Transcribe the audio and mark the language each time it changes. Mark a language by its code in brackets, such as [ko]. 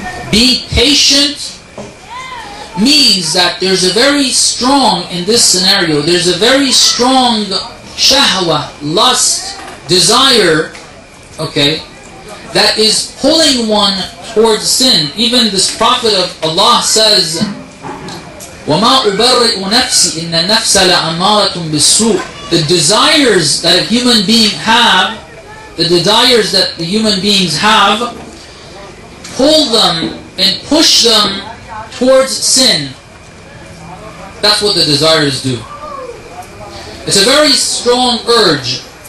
[en] Be patient means that there's a very strong, in this scenario, there's a very strong shahwa, lust, desire, okay, that is pulling one towards sin. Even this Prophet of Allah says, [ar] وَمَا أُبَرِّئُ نَفْسِي إِنَّ النَّفْسَ لَأَمَّارَةٌ بِالسُّوءِ. [en] The desires that a human being have, the desires that the human beings have, pull them and push them towards sin. That's what the desires do. It's a very strong urge.